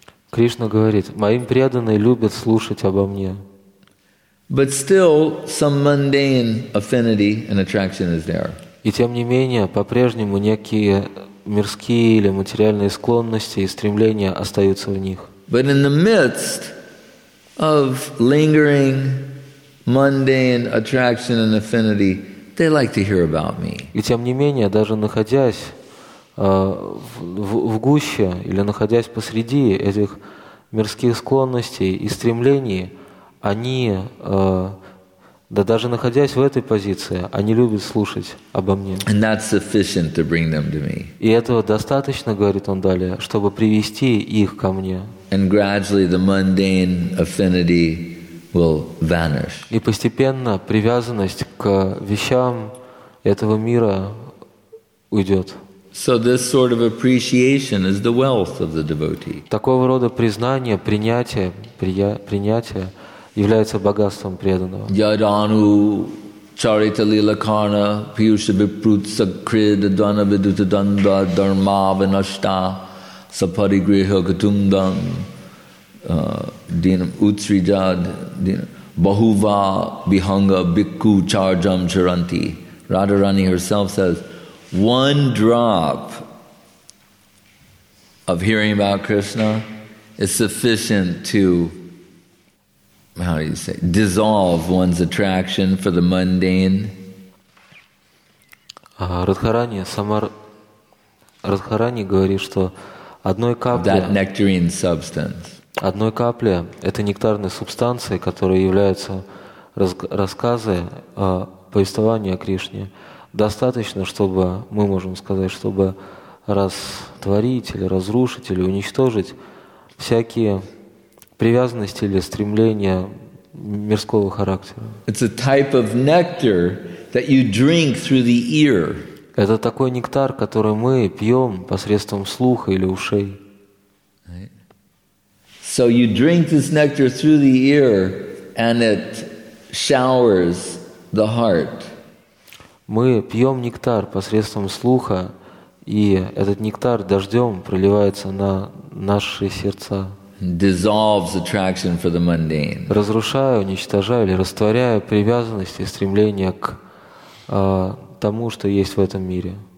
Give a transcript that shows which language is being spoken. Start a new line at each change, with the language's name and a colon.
Russian: Кришна говорит, моим преданные любят слушать обо мне.
English: But still, some mundane affinity and attraction is there.
Russian: И тем не менее, по-прежнему некие мирские или материальные склонности и стремления остаются в них.
English: But in the midst of lingering mundane attraction and affinity, they like to hear about me.
Russian: И тем не менее, даже находясь в гуще или находясь посреди этих мирских склонностей и стремлений, они, да даже находясь в этой позиции, они любят слушать обо мне.
English: And that's sufficient to bring them to me.
Russian: И этого достаточно, говорит он далее, чтобы привести их ко мне.
English: And gradually the mundane affinity will vanish.
Russian: И постепенно привязанность к вещам этого мира уйдет.
English: So this sort of appreciation is the wealth of the devotee.
Russian: Такого рода признание, принятие, принятие является богатством преданного.
Sanskrit: Yadanu charita lila karna piyusha viprutsa krid adana viduta danda dharma vinashta sapari griha katundam dinam utsrijad dinam bahuva bihanga bhikkhu charjam charanti.
English: Radharani herself says, one drop of hearing about Krishna is sufficient to, how do you say, dissolve one's attraction for the mundane.
Russian: Радхарани, сама Радхарани говорит, что одной капли,
English: that nectarine substance,
Russian: одной капли этой нектарной субстанции, которая является рассказы, повествования о Кришне, достаточно, чтобы, мы можем сказать, чтобы растворить или разрушить или уничтожить всякие привязанности или стремления мирского характера.
English: It's a type of nectar that you drink through the ear.
Russian: Это такой нектар, который мы пьем посредством слуха или ушей.
English: So you drink this nectar through the ear and it showers the heart.
Russian: Мы пьем нектар посредством слуха, И этот нектар дождем проливается на наши сердца.
English: Dissolves attraction for the mundane.
Russian: Разрушая, уничтожая или растворяя привязанность и стремление к тому, что есть в этом мире.